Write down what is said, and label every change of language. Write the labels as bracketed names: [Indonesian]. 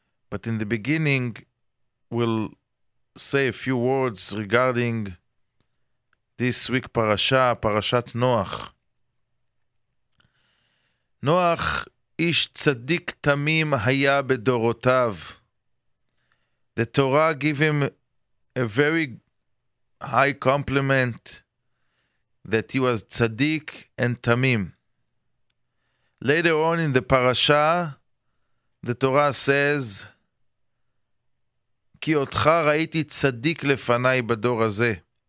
[English] But in the beginning, we'll say a few words regarding this week parasha, Parashat Noach. [Hebrew] Noach, איש צדיק תמים היה בדורותיו. [English] The Torah gave him a very high compliment that he was צדיק and תמים. Later on in the parasha, the Torah says, [Hebrew] כי אותך ראיתי צדיק לפניי בדור הזה.